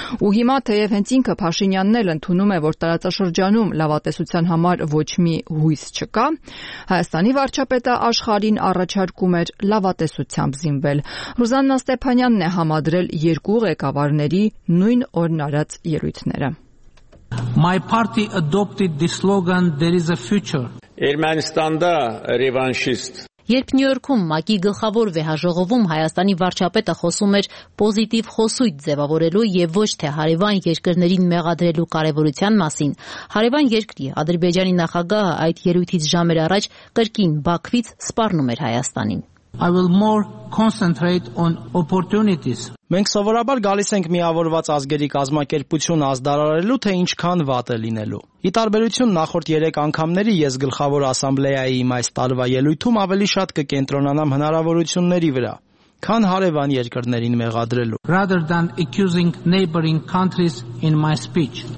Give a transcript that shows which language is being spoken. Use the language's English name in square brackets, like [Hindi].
[Armenian] ու հիմա թեև հենց ինքը Փաշինյանն էլ ընդունում է, որ տարածաշրջանում լավատեսության համար ոչ մի հույս չկա, Հայաստանի վարչապետը աշխարհին առաջարկում էր լավատեսության զինվել։ Ռուզաննա Ստեփանյանն է համադրել երկու ղեկավարների նույն օրն արած ելույթները։ [English] My party adopted the slogan there is a future. [Turkish] Ermenistan'da revanşist. [Armenian] Երբ Նյու Յորքում ՄԱԿ-ի գլխավոր վեհաժողովում Հայաստանի վարչապետը խոսում էր պոզիտիվ խոսույթ ձևավորելու եւ ոչ թե հարևան երկրներին մեղադրելու կարևորության մասին, հարևան երկրի Ադրբեջանի նախագահը այդ ելույթից ժամեր առաջ կրկին Բաքվից սպառնում էր Հայաստանին։ [English] I will more concentrate on opportunities. [Armenian] Մենք սովորաբար գալիս ենք միավորված ազգերի կազմակերպություն ազդարարելու, թե ինչքան վատ է լինելու։ Ի տարբերություն նախորդ 3 անգամների, ես գլխավոր ասամբլեայի իմ այս տարվա ելույթում ավելի շատ կկենտրոնանամ հնարավորությունների վրա, քան հարևան երկրներին մեղադրելու։ [English] Rather than accusing neighboring countries in my speech.